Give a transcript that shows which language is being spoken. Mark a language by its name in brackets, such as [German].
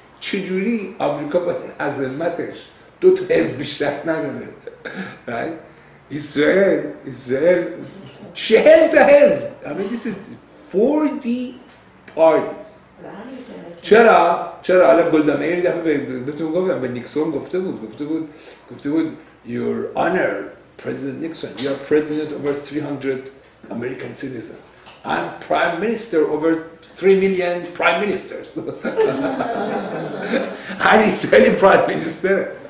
[Persian] چجوری آمریکا با این عظمتش دو تا حزب بیشتر نداره؟ اسرائیل 40 تا حزب، [English] I mean this is 40 parties. [Persian] چرا الان گلدان میر دفعه بهتون گفتم، به نیکسون گفته بود [English] Your Honor President Nixon, you are president over 300 American citizens. I'm prime minister over 3 million prime ministers. [Persian] هر اسرائیلی [English] prime minister.